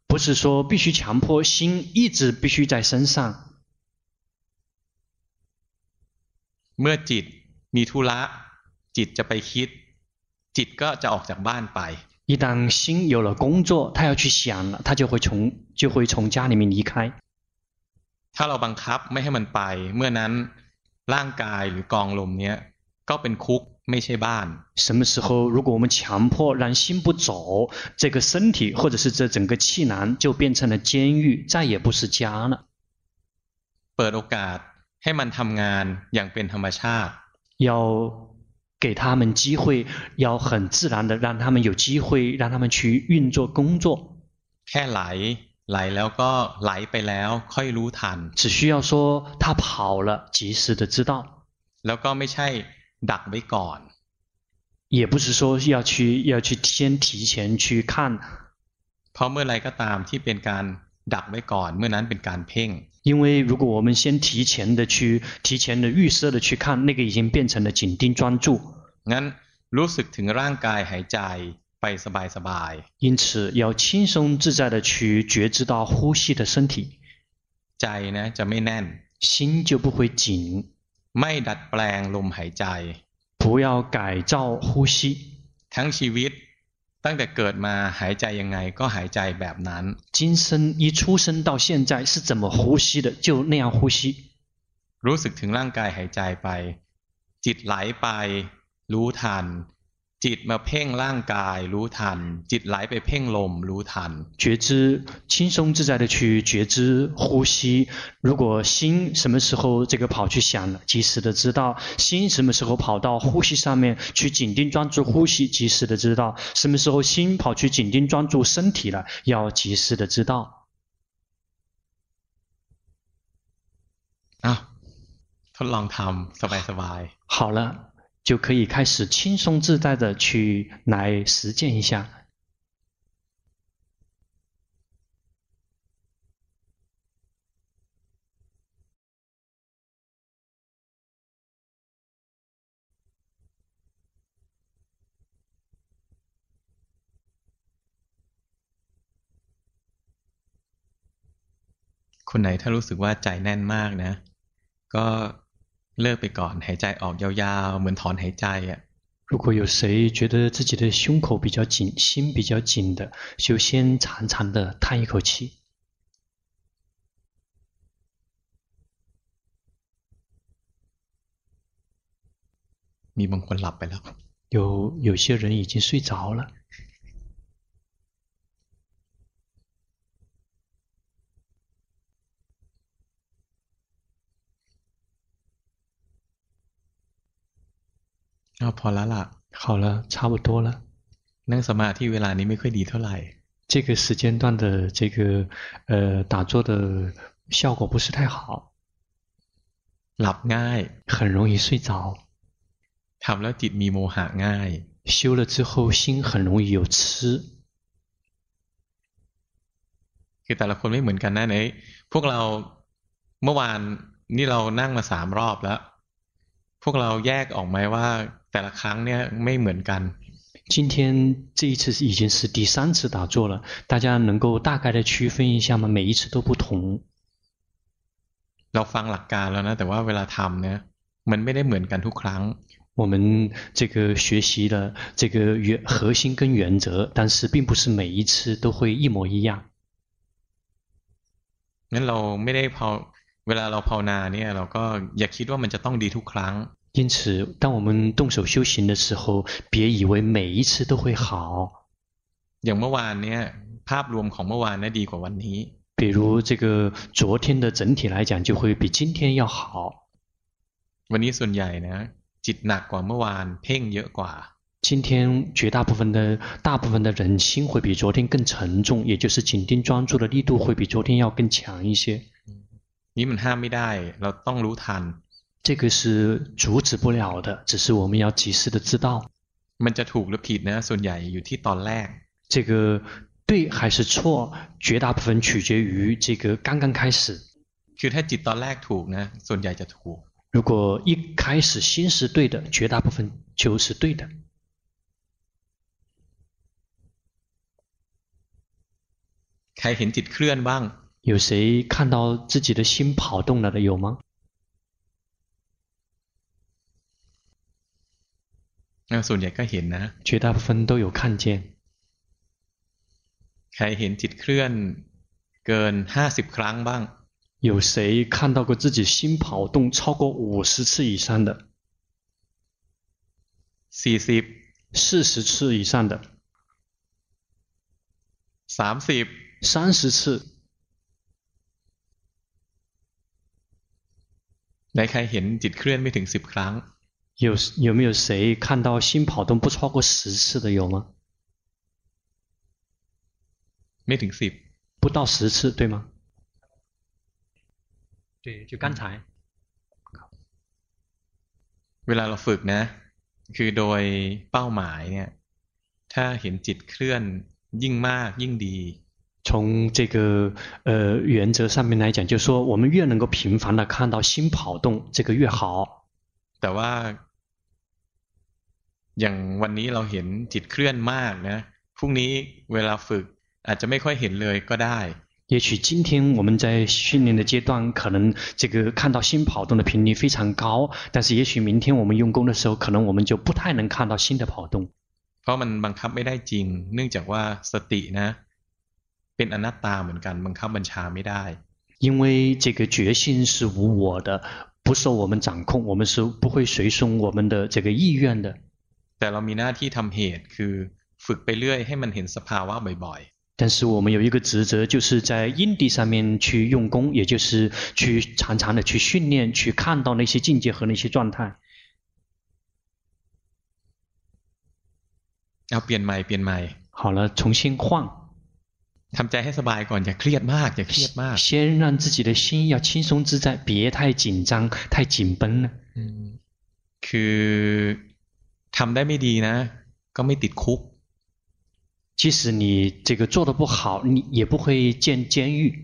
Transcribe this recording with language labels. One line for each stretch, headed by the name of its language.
Chinese: 不是说必须强迫心一直必须在身上
Thai: เมื่อจิตมีธุระจิตจะไปคิดจิตก็จะออกจากบ้านไป
Chinese: 一旦心有了工作他要去想了他就会从家里面离开
Thai: ถ้าเราบังคับไม่ให้มันไปเมื่อนั้นร่างกายหรือกองลมเนี้ยก็เป็นคุกไม่ใช่บ้าน
Chinese: 什么时候如果我们强迫让心不走这个身体或者是这整个气囊就变成了监狱再也不是家了
Thai: เปิดโอกาสให้มันทำงานอย่างเป็นธรรมชาติ
Chinese: 要给他们机会要很自然的让他们有机会让他们去运作工作
Thai: แค่ไหลไหลแล้วก็ไหลไปแล้วค่อยรู้ทัน
Chinese: 只需要说他跑了及时的知道
Thai: แล้วก็ไม่ใช่ดักไว้ก่อน
Chinese: 也不是说要去先提前去看
Thai: เพราะเมื่อไรก็ตามที่เป็นการดักไว้ก่อนเมื่อนั้นเป็นการเพ่ง
Chinese: 因为如果我们先提前的预设的去看那个已经变成了紧盯专注
Thai: งั้นรู้สึกถึงร่างกายหายใจไปสบายสบาย
Chinese: 因此要轻松自在的去觉知到呼吸的身体
Thai: ใจนะจะไม่แน่น
Chinese: 心就不会紧
Thai: ไม่ดัดแปลงลมหายใจ
Chinese: 不要改造呼吸
Thai: ทั้งชีวิตตั้งแต่เกิดมาหายใจยังไงก็หายใจแบบนั้น
Chinese: 今生一出生到现在是怎么呼吸的就那样呼吸
Thai: รู้สึกถึงร่างกายหายใจไปจิตไหลไปรู้ทันจิตมาเพ่งร่างกายรู้ทันจิตไหลไปเพ่งลมรู้ทัน
Chinese: 觉知轻松自在的去觉知呼吸如果心什么时候这个跑去想了及时的知道心什么时候跑到呼吸上面去紧盯专注呼吸及时的知道什么时候心跑去紧盯专注身体了要及时的知道
Thai: 啊ทดลองทำสบายสบาย
Chinese: 好了就可以开始轻松自在的去来实践一下
Thai: คนไหนถ้ารู้สึกว่าใจแน่นมากนะก็เลิกไปก่อนหายใจออกยาวๆเหมือนถอนหายใจอ่ะ
Chinese: 如果有谁觉得自己的胸口比较紧心比较紧的就先长长的叹一口气
Thai: มีบางคนหลับไปแล้ว
Chinese: 有些人已经睡着了
Thai: อ๋อพอแล้วล่ะ
Chinese: 好了差不多了
Thai: นั่งสมาธิเวลานี้ไม่ค่อยดีเท่าไหร่
Chinese: 这个时间段的这个打坐的效果不是太好
Thai: หลับง่าย
Chinese: 很容易睡着
Thai: ทำแล้วจิตมีโมหะง่าย
Chinese: 修了之后心很容易有痴
Thai: คือแต่ละคนไม่เหมือนกันนะไหนพวกเราเมื่อวานนี่เรานั่งมาสามรอบแล้วพวกเราแยกออกไหมว่าแต่ละครั้งเนี่ยไม่เหมือนกัน
Chinese: 今天这一次已经是第三次打坐了，大家能够大概的区分一下吗？每一次都不同。
Thai: เราฟังหลักการแล้วนะแต่ว่าเวลาทำเนี่ยมันไม่ได้เหมือนกันทุกครั้ง
Chinese: 我们这个学习的这个原核心跟原则，但是并不是每一次都会一模一样。
Thai: งั้นเราไม่ได้พอเวลาเราภาวนาเนี่ยเราก็อย่าคิดว่ามันจะต้องดีทุกครั้ง
Chinese: 因此当我们动手修行的时候别以为每一次都会好
Thai: อย่างเมื่อวานเนี่ยภาพรวมของเมื่อวานน่ะดีกว่าวันนี้
Chinese: 比如这个昨天的整体来讲就会比今天要好
Thai: วันนี้ส่วนใหญ่นะจิตหนักกว่าเมื่อวานเพ่งเยอะกว่า
Chinese: 今天绝大部分的大部分的人心会比昨天更沉重也就是紧盯专注的力度会比昨天要更强一些
Thai: นี่มันห้ามไม่ได้เราต้องรู้ทัน
Chinese: 这个是阻止不了的只是我们要及时的知道
Thai: มันจะถูกหรือผิดนะส่วนใหญ่อยู่ที่ตอนแรก
Chinese: 这个对还是错绝大部分取决于这个刚刚开始
Thai: คือถ้าจิตตอนแรกถูกนะส่วนใหญ่จะถูก
Chinese: 如果一开始心是对的绝大部分就是对的
Thai: ใครเห็นจิตเคลื่อนบ้าง
Chinese: 有谁看到自己的心跑动了的有吗
Thai: ส่วนใหญ่ก็เห็นนะ
Chinese: 绝大部分都有看见
Thai: ใครเห็นจิตเคลื่อนเกิน50ครั้งบ้าง
Chinese: 有谁看到过自己心跑动超过50次以上的 40 40次以上的 30 30次
Thai: ไหนใครเห็นจิตเคลื่อนไม่ถึง10ครั้ง
Chinese: 有没有谁看到心跑动不超过十次的有吗？没停息，不到十次对吗？对，就刚才。
Thai: เวลาเราฝึกนะคือโดยเป้าหมายเนี่ยถ้าเห็นจิตเคลื่อนยิ่งมากยิ่งดี
Chinese: 从这个原则上面来讲，就说我们越能够频繁的看到心跑动，这个越好。
Thai: แต่ว่าอย่างวันนี้เราเห็นจิตเคลื่อนมากนะพรุ่งนี้เวลาฝึกอาจจะไม่ค่อยเห็นเลยก็ได้
Chinese: 也许今天我们在训练的阶段可能这个看到心跑动的频率非常高但是也许明天我们用功的时候可能我们就不太能看到心的跑动
Thai: เพราะมันบังคับไม่ได้จริงเนื่องจากว่าสตินะเป็นอนัตตาเหมือนกันบังคับบัญชาไม่ได้
Chinese: 因为这个觉性是无我的不受我们掌控我们是不会随顺我们的这个意愿的
Thai: แต่เรามีหน้าที่ทำเหตุคือฝึกไปเรื่อยให้มันเห็นสภาวะบ่อย
Chinese: ๆ但是我们有一个职责就是在因地上面去用功也就是去常常的去训练去看到那些境界和那些状态
Thai: เอาเปลี่ยนใหม่เปลี่ยนใหม่
Chinese: 好了重新换
Thai: ทำใจให้สบายก่อนอย่าเครียดมากอย่าเครียดมาก
Chinese: 先让自己的心要轻松自在别太紧张太紧绷
Thai: คือทำได้ไม่ดีนะก็ไม่ติดคุก
Chinese: 即使你这个做得不好你也不会进监狱